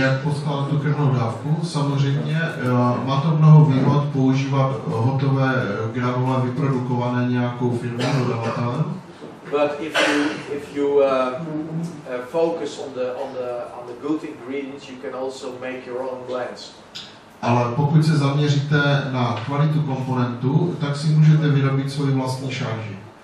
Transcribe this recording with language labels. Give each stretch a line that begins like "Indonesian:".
Czech: Jak poskládat tu krmnou dávku? Samozřejmě má to mnoho výhod používat hotové granule vyprodukované nějakou firmou dodavatelem.
English: But if you focus on the good ingredients, you can also make your own blends.
Czech: Ale pokud se zaměříte na kvalitu komponentu, tak si můžete vyrobit svoji vlastní šarži.